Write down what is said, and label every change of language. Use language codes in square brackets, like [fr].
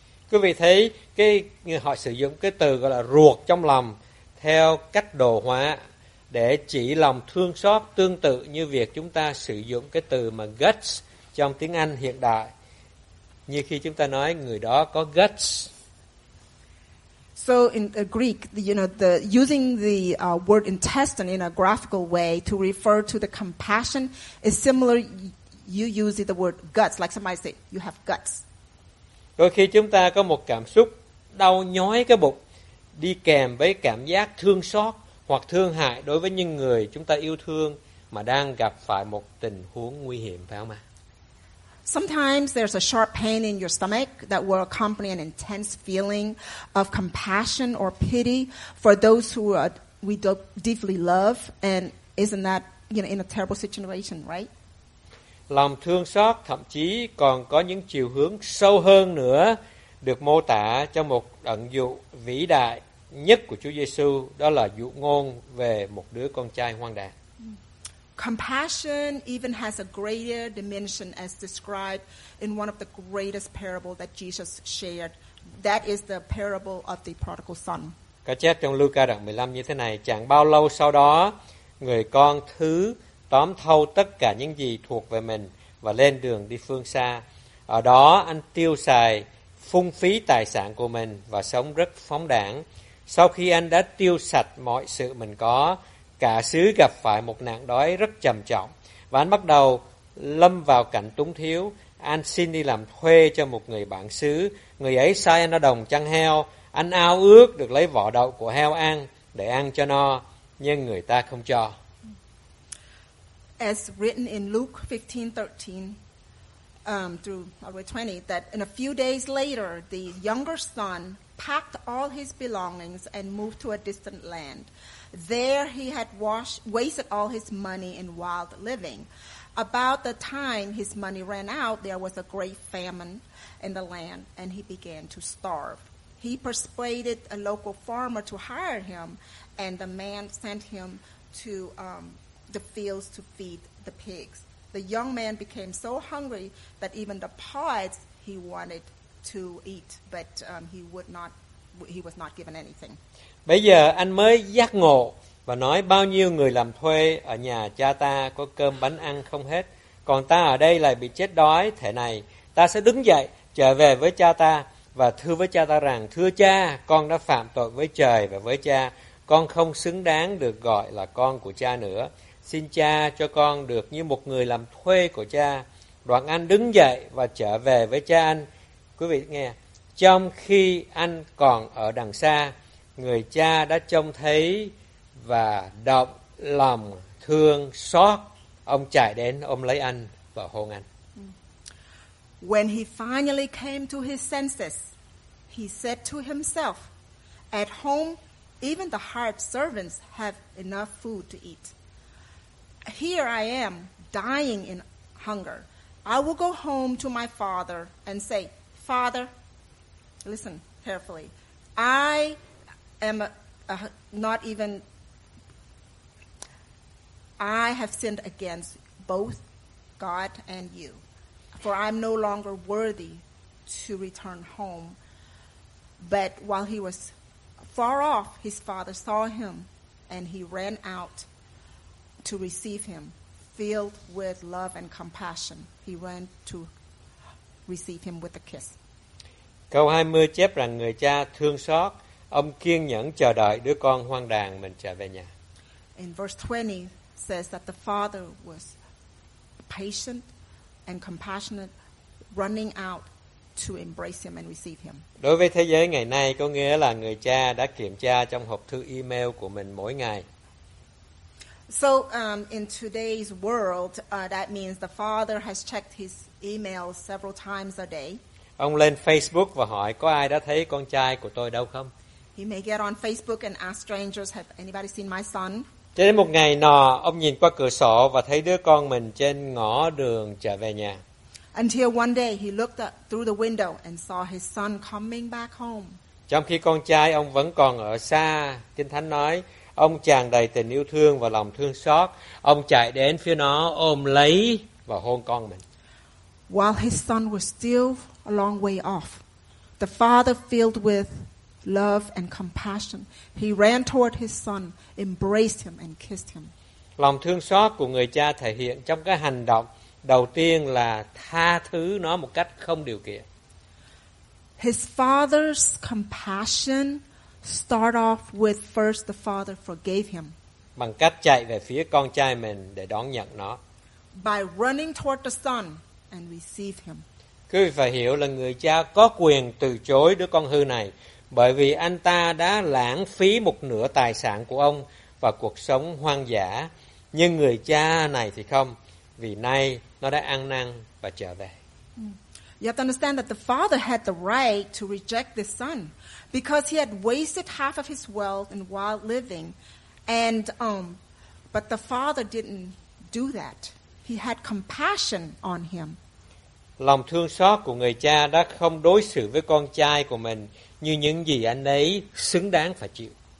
[vi] Quý vị thấy cái họ sử dụng cái từ gọi là ruột trong lòng theo cách đồ họa để chỉ lòng thương xót, tương tự như việc chúng ta sử dụng cái từ mà guts trong tiếng Anh hiện đại, như khi chúng ta nói người đó có guts. [en] So in Greek, using the word intestine in a graphical way to refer to the compassion is similar. You use the word guts, like somebody say, you have guts. [vi] Đôi khi chúng ta có một cảm xúc đau nhói cái bụng đi kèm với cảm giác thương xót hoặc thương hại đối với những người chúng ta yêu thương mà đang gặp phải một tình huống nguy hiểm, phải không ạ? [en] Sometimes there's a sharp pain in your stomach that will accompany an intense feeling of compassion or pity for those who we deeply love, and isn't that, in a terrible situation, right? [vi] Lòng thương xót thậm chí còn có những chiều hướng sâu hơn nữa được mô tả trong một ẩn dụ vĩ đại nhất của Chúa Giêsu, đó là dụ ngôn về một đứa con trai hoang đàn. [en] Compassion even has a greater dimension as described in one of the greatest parables that Jesus shared. That is the parable of the prodigal son. [vi] Có chép trong Luca đoạn 15 như thế này, chẳng bao lâu sau đó, người con thứ tóm thâu tất cả những gì thuộc về mình và lên đường đi phương xa. Ở đó anh tiêu xài phung phí tài sản của mình và sống rất phóng đãng. Sau khi anh đã tiêu sạch mọi sự mình có, cả xứ gặp phải một nạn đói rất trầm trọng và anh bắt đầu lâm vào cảnh túng thiếu. Anh xin đi làm thuê cho một người bạn xứ, người ấy sai anh ở đồng chăn heo. Anh ao ước được lấy vỏ đậu của heo ăn để ăn cho no, nhưng người ta không cho. [en] As written in Luke 15:13 through all the way 20, that in a few days later the younger son packed all his belongings and moved to a distant land. There he had wasted all his money in wild living. About the time his money ran out, there was a great famine in the land, and he began to starve. He persuaded a local farmer to hire him, and the man sent him to the fields to feed the pigs. The young man became so hungry that even the pods he wanted to eat, but he was not given anything. [vi] Bây giờ anh mới giác ngộ và nói bao nhiêu người làm thuê ở nhà cha ta có cơm bánh ăn không hết, còn ta ở đây lại bị chết đói thế này. Ta sẽ đứng dậy trở về với cha ta và thưa với cha ta rằng: Thưa cha, con đã phạm tội với trời và với cha, con không xứng đáng được gọi là con của cha nữa. Xin cha cho con được như một người làm thuê của cha. Đoạn anh đứng dậy và trở về với cha anh. Quý vị nghe, trong khi anh còn ở đằng xa, người cha đã trông thấy và động lòng thương xót. Ông chạy đến ôm lấy anh và hôn anh. [en] When he finally came to his senses, he said to himself, "At home, even the hired servants have enough food to eat. Here I am, dying in hunger. I will go home to my father and say, 'Father, listen carefully. I am not even, I have sinned against both God and you, for I'm no longer worthy to return home.' But while he was far off, his father saw him, and he ran out to receive him, filled with love and compassion. He ran to receive him with a kiss." [vi] Câu 20 chép rằng người cha thương xót, ông kiên nhẫn chờ đợi đứa con hoang đàn mình trở về nhà. [en] In verse 20 says that the father was patient and compassionate, running out to embrace him and receive him. [vi] Đối với thế giới ngày nay có nghĩa là người cha đã kiểm tra trong hộp thư email của mình mỗi ngày. [en] So in today's world, that means the father has checked his email several times a day. [vi] Ông lên Facebook và hỏi có ai đã thấy con trai của tôi đâu không? [en] He may get on Facebook and ask strangers, "Have anybody seen my son?" [vi] Cho đến một ngày nọ, ông nhìn qua cửa sổ và thấy đứa con mình trên ngõ đường trở về nhà. [en] Until one day he looked up through the window and saw his son coming back home. [vi] Trong khi con trai ông vẫn còn ở xa, Kinh Thánh nói, ông chàng đầy tình yêu thương và lòng thương xót, ông chạy đến phía nó, ôm lấy và hôn con mình. [en] While his son was still a long way off, the father, filled with love and compassion, he ran toward his son, embraced him and kissed him. [vi] Lòng thương xót của người cha thể hiện trong cái hành động đầu tiên là tha thứ nó một cách không điều kiện. [en] His father's compassion start off with first the father forgave him. [vi] Bằng cách chạy về phía con trai mình để đón nhận nó. [en] By running toward the son and receive him. [vi] Quý vị phải hiểu là người cha có quyền từ chối đứa con hư này, bởi vì anh ta đã lãng phí một nửa tài sản của ông và cuộc sống hoang dã. Nhưng người cha này thì không, vì nay nó đã ăn năn và trở về. [en] You have to understand that the father had the right to reject the son because he had wasted half of his wealth in wild living, and but the father didn't do that. He had compassion on him. [vi] Lòng thương xót của người cha đã không đối xử với con trai của mình như những gì anh ấy xứng đáng phải chịu.